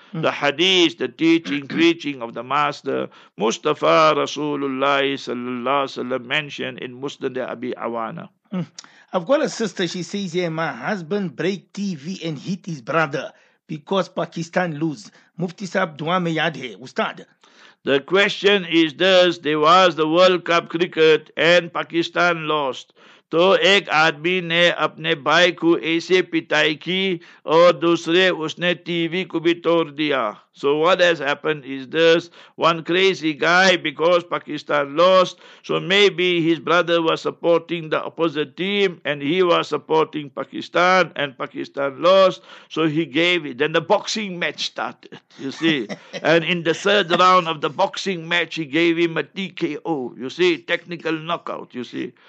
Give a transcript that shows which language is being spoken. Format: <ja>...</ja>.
<en>The hadith, the teaching, preaching of the master Mustafa Rasulullah sallallahu alaihi wasallam, mentioned in Musnad Abi Awana. I've got a sister, she says, yeah, my husband break TV and hit his brother because Pakistan lose.</en> <hi>Mufti sahab, dua me yaad hai, Ustad.</hi> <en>The question is this: there was the World Cup cricket and Pakistan lost.</en> <hi>तो एक आदमी ने अपने भाई को ऐसे पिटाई की और दूसरे उसने टीवी को भी तोड़ दिया.</hi> <en>So what has happened is this: one crazy guy, because Pakistan lost, so maybe his brother was supporting the opposite team and he was supporting Pakistan, and Pakistan lost, so he gave it. Then the boxing match started, you see. And in the third round of the boxing match, he gave him a TKO, you see, technical knockout, you see.</en>